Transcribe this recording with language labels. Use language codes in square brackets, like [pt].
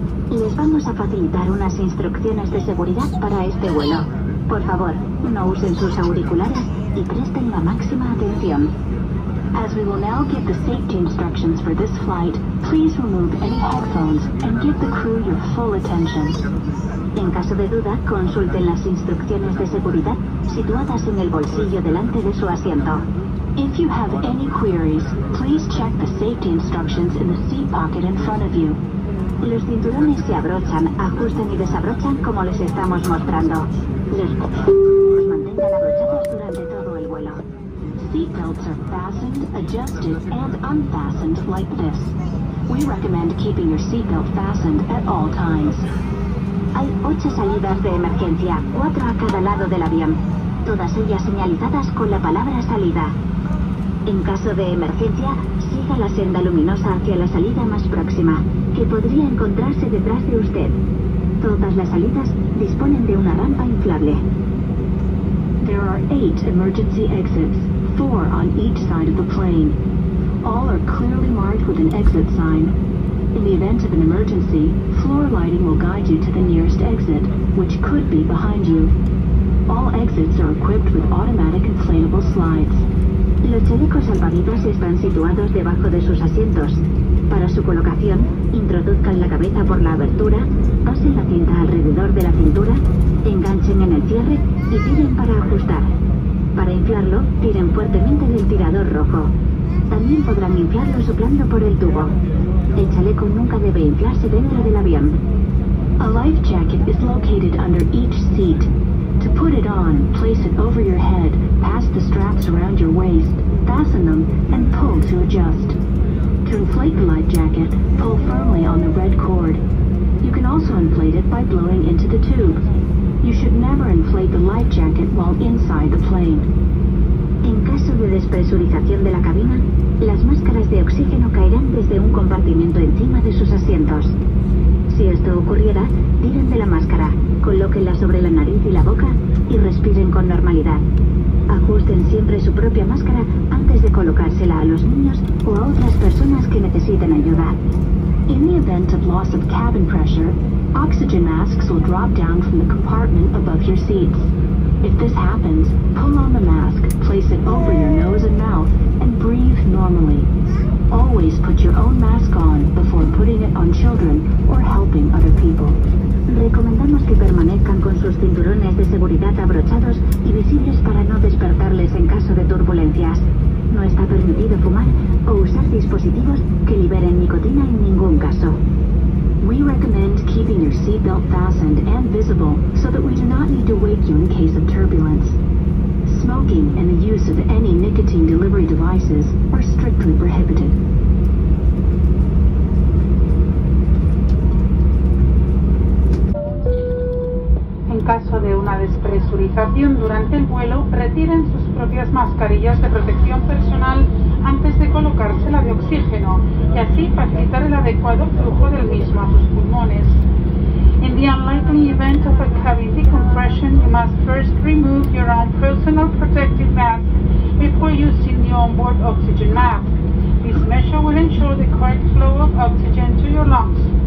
[es] Les vamos a facilitar unas instrucciones de seguridad para este vuelo. Por favor, no usen sus auriculares y presten la máxima atención. [en] As we will now give the safety instructions for this flight, please remove any headphones and give the crew your full attention. [es] En caso de duda, consulten las instrucciones de seguridad situadas en el bolsillo delante de su asiento. [en] If you have any queries, please check the safety instructions in the seat pocket in front of you. [es] Los cinturones se abrochan, ajustan y desabrochan como les estamos mostrando. Los mantengan abrochados durante todo el vuelo. [en] Seatbelts are fastened, adjusted, and unfastened like this. We recommend keeping your seatbelt fastened at all times. [es] Hay 8 salidas de emergencia, 4 a cada lado del avión, todas ellas señalizadas con la palabra salida. En caso de emergencia, siga la senda luminosa hacia la salida más próxima, que podría encontrarse detrás de usted. Todas las salidas disponen de una rampa inflable. [en] There are 8 emergency exits, 4 on each side of the plane. All are clearly marked with an exit sign. In the event of an emergency, floor lighting will guide you to the nearest exit, which could be behind you. All exits are equipped with automatic inflatable slides. [es] Los chalecos salvavidas están situados debajo de sus asientos. Para su colocación, introduzcan la cabeza por la abertura, pasen la cinta alrededor de la cintura, enganchen en el cierre y tiren para ajustar. Para inflarlo, tiren fuertemente del tirador rojo. También podrán inflarlo soplando por el tubo. El chaleco nunca debe inflarse dentro del avión. [en] A life jacket is located under each seat. To put it on, place it over your head, pass the straps around your waist, fasten them, and pull to adjust. To inflate the life jacket, pull firmly on the red cord. You can also inflate it by blowing into the tube. You should never inflate the life jacket while inside the plane. [es] En caso de despresurización de la cabina, las máscaras de oxígeno caerán desde un compartimento encima de sus asientos. Si esto ocurriera, tiren de la máscara, colóquenla sobre la nariz y la boca y respiren con normalidad. Ajusten siempre su propia máscara antes de colocársela a los niños o a otras personas que necesiten ayuda. [en] In the event of loss of cabin pressure, oxygen masks will drop down from the compartment above your seats. If this happens, pull on the mask, place it over your nose and mouth, and breathe normally. Always put your own mask on before putting it on children or helping other people. [es] Recomendamos que permanezcan con sus cinturones de seguridad abrochados y visibles para no despertarles en caso de turbulencias. No está permitido fumar o usar dispositivos que liberen nicotina en ningún caso. [en] We recommend keeping your seatbelt fastened and visible so that we do not need to wake you in case of turbulence. Smoking and the use of any nicotine delivery devices are strictly prohibited. [es] En caso de una despresurización durante el vuelo, retiren sus propias mascarillas de protección personal antes de colocársela de oxígeno y así facilitar el adecuado flujo del mismo a sus pulmones. [en] In the unlikely event of a cabin decompression, you must first remove your own personal protective mask before using the onboard oxygen mask. This measure will ensure the correct flow of oxygen to your lungs.